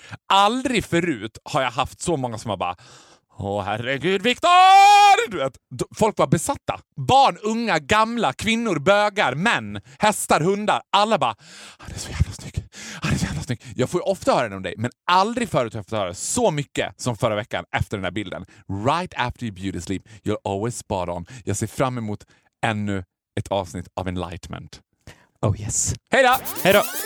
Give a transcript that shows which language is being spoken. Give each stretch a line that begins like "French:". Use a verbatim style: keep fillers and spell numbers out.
Swedish: Aldrig förut har jag haft så många som har bara åh herregud Viktor! Du vet, folk var besatta. Barn, unga, gamla, kvinnor, bögar, män, hästar, hundar. Alla bara han är så jävla snygg. Han är så jävla snygg. Jag får ju ofta höra det om dig, men aldrig förut har jag fått höra så mycket som förra veckan efter den här bilden.
English: Right after your beauty sleep, you're always spot on.
Swedish: Jag ser fram emot ännu ett avsnitt av Enlightenment.
English: Oh yes.
Swedish: Hej då! Hej då!